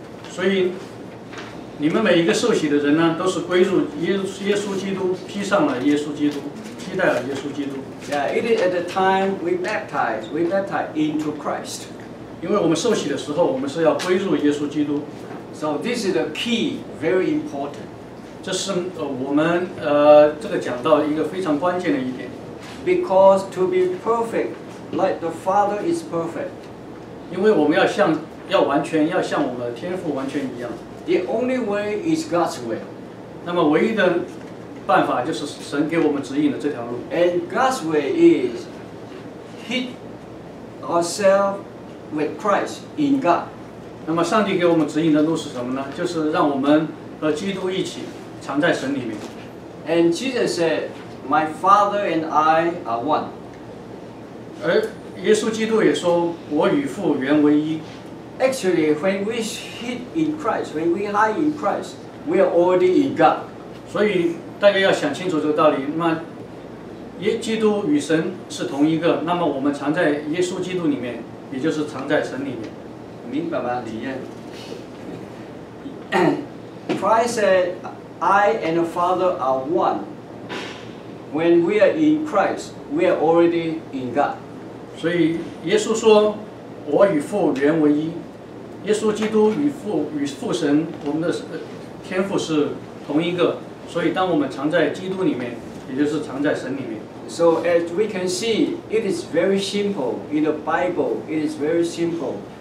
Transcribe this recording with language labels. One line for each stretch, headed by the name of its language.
Chinese: 所以，你们每一个受洗的人呢，都是归入耶稣基督，披上了耶稣基督。
English: Yeah, it is at the time we baptize into Christ.
Chinese: 因为我们受洗的时候，我们是要归入耶稣基督。
English: So this is the key, very important.
Chinese: 这是我们这个讲到一个非常关键的一点。
English: Because to be perfect, like the Father is perfect.
Chinese: 因为我们要像要完全要像我们的天父完全一样。
English: The only way is God's way.
Chinese: 那么唯一的办法就是神给我们指引的这条路。
English: And God's way is hid ourselves with Christ in God.
Chinese: 那么上帝给我们指引的路是什么呢?就是让我们和基督一起藏在神里面。
English: And Jesus said, My Father and I are one.
Chinese: 而耶稣基督也说, 我与父原为一。
English: Actually, when we hid in Christ, when we hide in Christ, we are already in God.
Chinese: 所以大家要想清楚这个道理, 基督与神是同一个, 那么我们藏在耶稣基督里面, 也就是藏在神里面。明白吗,
English: Christ said, I and the Father are one. When we are in Christ, we are already in God.
Chinese: 所以耶稣说, 我与父原为一。耶稣基督与父神, 我们的天父是同一个, 所以当我们藏在基督里面, 也就是藏在神里面。
English: So as we can see, it is very simple. In the Bible, it is very simple.